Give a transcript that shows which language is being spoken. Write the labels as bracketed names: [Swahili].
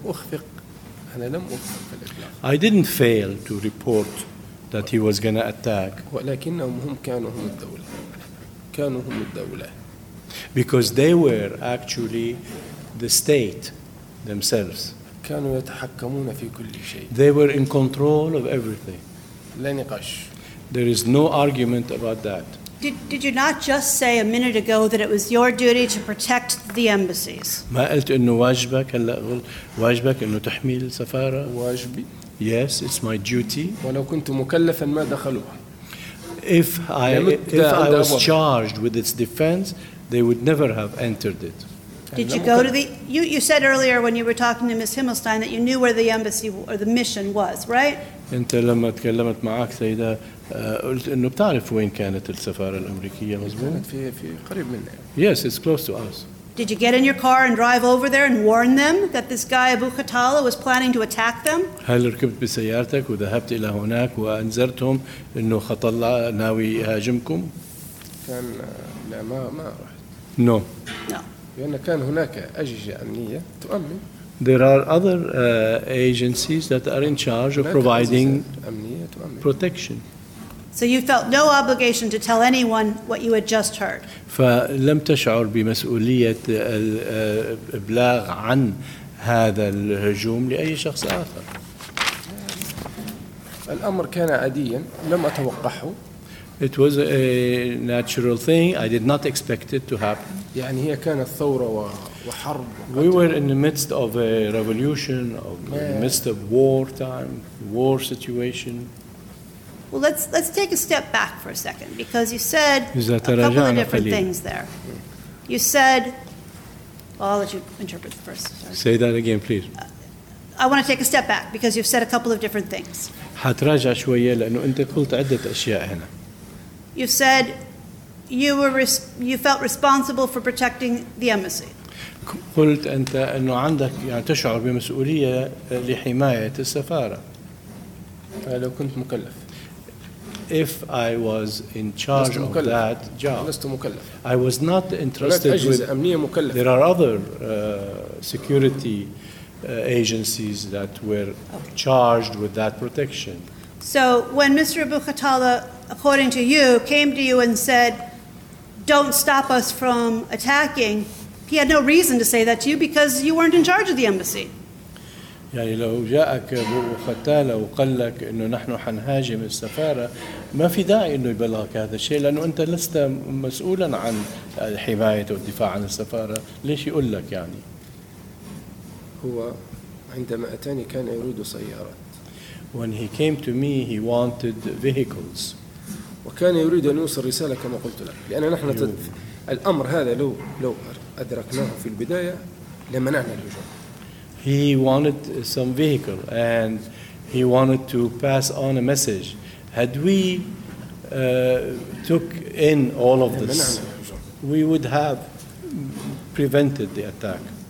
[Arabic] لم أخفق أنا لم أخفق الإبلاغ [English] I didn't fail to report that he was going to attack [Arabic] ولكنهم هم كانوا هم الدولة كانوا هم الدولة [English] because they were actually the state themselves [Arabic] كانوا يتحكمون في كل شيء [English] they were in control of everything [Arabic] لا نقاش [English] there is no argument about that Did you not just say a minute ago that it was your duty to protect the embassies? [Arabic] ما قلت إنه واجبك هلا واجبك إنه تحمي السفارة؟ واجبي. [English] Yes, it's my duty. [Arabic] ولو كنت مكلفا ما دخلوها. [English] If I was charged with its defense, they would never have entered it. Did you go to the? You said earlier when you were talking to Ms. Himmelstein that you knew where the embassy or the mission was, right? [Arabic] أنت لما تكلمت معك سيدة. قلت إنه بتعرف وين كانت السفارة الأمريكية مزبوط؟ كانت في قريب منا. [English] Yes, it's close to us. Did you get in your car and drive over there and warn them that this guy Abu Khattala was planning to attack them? [Arabic] هل ركبت بسيارتك وذهبت إلى هناك وأنذرتهم إنه خطلة ناوي يهاجمكم؟ كان لا ما رحت. [English] No. No. [Arabic] لأن كان هناك أجهزة أمنية تؤمن. [English] There are other agencies that are in charge of providing protection. So you felt no obligation to tell anyone what you had just heard. [Arabic] فلم تشعر بمسؤولية الإبلاغ عن هذا الهجوم لأي شخص آخر. الأمر كان عاديا لم أتوقعه. [English] It was a natural thing. I did not expect it to happen. [Arabic] يعني هي كانت ثورة وحرب. [English] We were in the midst of a revolution, of war time, war situation. Well, let's take a step back for a second because you said a couple of different things there. You said, well, I'll let you interpret first. Sorry. Say that again, please. I want to take a step back because you've said a couple of different things. [Arabic] هتراجع شوية لأنه أنت قلت عدة أشياء هنا. [English] You said you felt responsible for protecting the embassy. [Arabic] قلت أنت أنه عندك يعني تشعر بمسؤولية لحماية السفارة. لو كنت مكلف. [English] If I was in charge of that job, I was not entrusted with. There are other security agencies that were charged with that protection. So when Mr. Abu Khattala, according to you, came to you and said, "Don't stop us from attacking," he had no reason to say that to you because you weren't in charge of the embassy. [Arabic] يعني لو جاءك أبو خطالة وقال لك إنه نحن حنهاجم السفارة ما في داعي إنه يبلغك هذا الشيء لأنه أنت لست مسؤولا عن الحماية والدفاع عن السفارة ليش يقول لك يعني هو عندما أتاني كان يريد سيارات [English] when he came to me he wanted vehicles [Arabic] وكان يريد أن يوصل رسالة كما قلت لك لأن نحن الأمر هذا لو أدركناه في البداية لمنعنا الهجوم [English] He wanted some vehicle, and he wanted to pass on a message. Had we took in all of this, we would have prevented the attack.